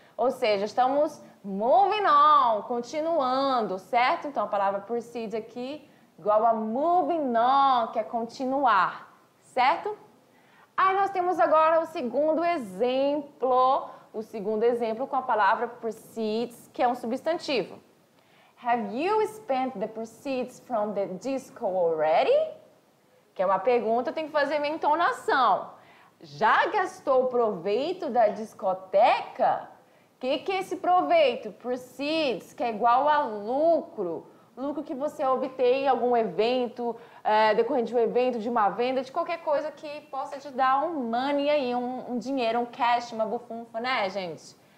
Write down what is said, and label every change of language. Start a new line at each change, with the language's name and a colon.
Portuguese: Ou seja, estamos
English: moving on,
Portuguese: continuando, certo? Então, a palavra proceed aqui igual a moving on, que é continuar, certo? Aí nós temos agora o segundo exemplo, com a palavra proceeds, que é um substantivo.
English: Have you spent the proceeds from the disco already?
Portuguese: Que é uma pergunta, eu tenho que fazer minha entonação. Já gastou o proveito da discoteca? Que é esse proveito? Proceeds, que é igual a lucro. Lucro que você obtém em algum evento, decorrente de um evento, de uma venda, de qualquer coisa que possa te dar um money aí, um dinheiro, um cash, uma bufunfa, né, gente?